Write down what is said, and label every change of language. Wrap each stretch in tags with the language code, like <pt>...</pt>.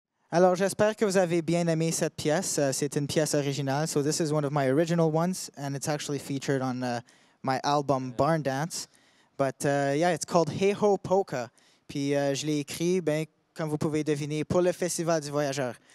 <fr>Alors, j'espère que vous avez bien aimé cette pièce. C'est une pièce originale.</fr> <en>So this is one of my original ones, and it's actually featured on my album Barn Dance. But it's called Hey Ho Polka.</en> <fr>Puis je l'ai écrit, ben comme vous pouvez deviner, pour le Festival du Voyageur.</fr>